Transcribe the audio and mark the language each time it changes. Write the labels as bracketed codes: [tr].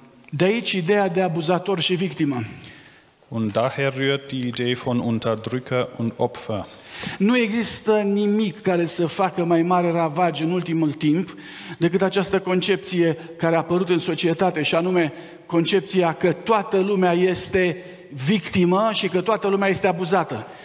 [ro] De aici ideea de abuzator și victimă. [de] Und daher rührt die Idee von Unterdrücker und Opfer. [ro] Nu există nimic care să facă mai mare ravaj în ultimul timp decât această concepție care a apărut în societate, și anume concepția că toată lumea este victimă și că toată lumea este abuzată.